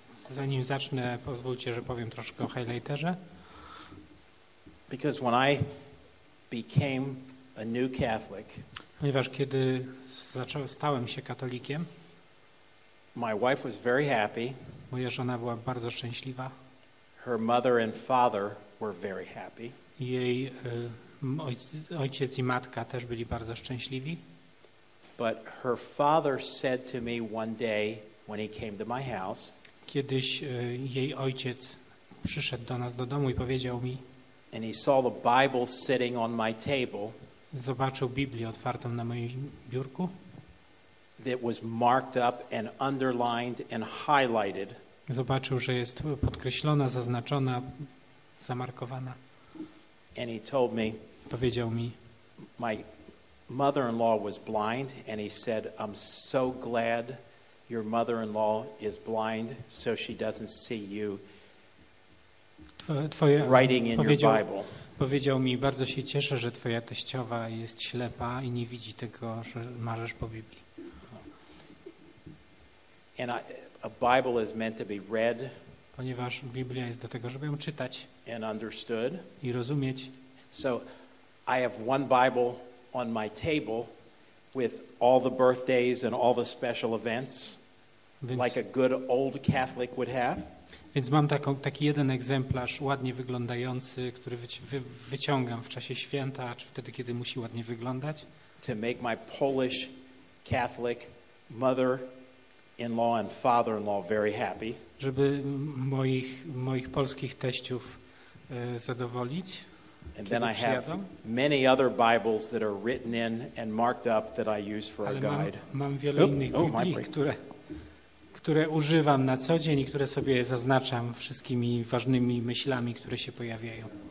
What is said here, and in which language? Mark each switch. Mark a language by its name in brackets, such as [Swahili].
[Polish] Zanim zacznę, pozwólcie, że powiem troszkę o highlighterze. [English] Because when I became a new Catholic, [Polish] ponieważ kiedy stałem się katolikiem, [English] my wife was very happy. [Polish] Moja żona była bardzo szczęśliwa. [English] Her mother and father were very happy. [Polish] Jej ojciec i matka też byli bardzo szczęśliwi. [English] But her father said to me one day when he came to my house. [Polish] Kiedyś jej ojciec przyszedł do nas do domu i powiedział mi. [English] And he saw the Bible sitting on my table. [Polish] Zobaczył Biblię otwartą na moim biurku. [English] That was marked up and underlined and highlighted. [Polish] Zobaczył, że jest podkreślona, zaznaczona, zamarkowana. [English] And he told me. [Polish] Powiedział mi. [English] My mother-in-law was blind, and he said, "I'm so glad your mother-in-law is blind, so she doesn't see you writing in your Bible." [Polish] Powiedział mi, bardzo się cieszę, że twoja teściowa jest ślepa i nie widzi tego, że marzysz po Biblii. [English] And a Bible is meant to be read. [Polish] Ponieważ Biblia jest do tego, żeby ją czytać. [English] And understood. [Polish] I rozumieć. [English] So I have one Bible on my table with all the birthdays and all the special events, [Polish] więc, [English] like a good old Catholic would have. [Polish] Więc mam taki jeden egzemplarz ładnie wyglądający, który wyciągam w czasie święta, czy wtedy, kiedy musi ładnie wyglądać. [English] To make my Polish Catholic mother-in-law and father-in-law very happy. [Polish] Żeby moich polskich teściów zadowolić. [English] And then I have many other Bibles that are written in and marked up that I use for a guide. [Polish] Mam wiele innych Biblii, które używam na co dzień i które sobie zaznaczam wszystkimi ważnymi myślami, które się pojawiają.